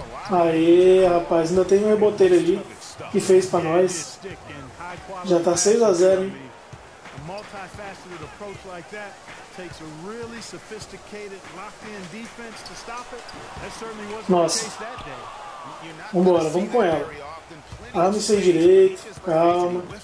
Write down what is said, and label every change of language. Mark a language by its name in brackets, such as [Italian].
[Portuguese] Aê, rapaz, ainda tem um reboteiro ali que fez pra nós. Já tá 6-0, hein? [English] Multifaceted approach like that takes a really sophisticated locked-in defense to stop it. That certainly wasn't the case that day. [Portuguese] Vambora, vamos com ela. Ah, não sei direito, calma.